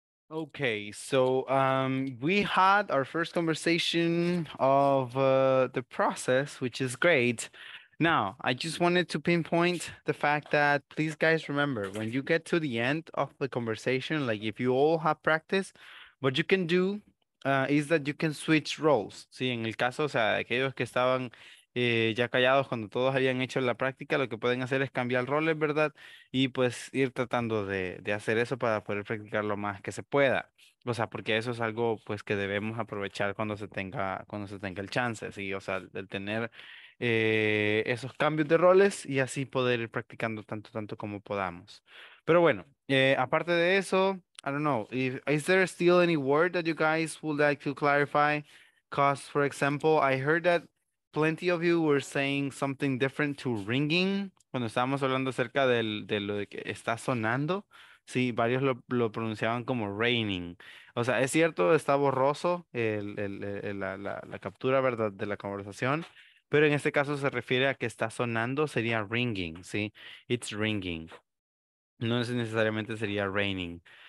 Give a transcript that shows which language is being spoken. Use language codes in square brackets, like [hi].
[en] Okay, so we had our first conversation of the process, which is great. Now, I just wanted to pinpoint the fact that, please guys, remember, when you get to the end of the conversation, like if you all have practice, what you can do is that you can switch roles. [es] Sí, en el caso, o sea, aquellos que estaban ya callados cuando todos habían hecho la práctica, lo que pueden hacer es cambiar roles, ¿verdad? Y pues ir tratando de hacer eso para poder practicar lo más que se pueda. O sea, porque eso es algo pues que debemos aprovechar cuando se tenga el chance, ¿sí? O sea, el tener esos cambios de roles y así poder ir practicando tanto como podamos. Pero bueno, aparte de eso, [en] I don't know, is there still any word that you guys would like to clarify? Because, for example, I heard that plenty of you were saying something different to ringing. [es] Cuando estábamos hablando acerca de lo de que está sonando, sí, varios lo pronunciaban como raining. O sea, es cierto, está borroso la captura, ¿verdad?, de la conversación, pero en este caso se refiere a que está sonando, sería ringing, sí, [en] it's ringing. [es] No necesariamente sería raining.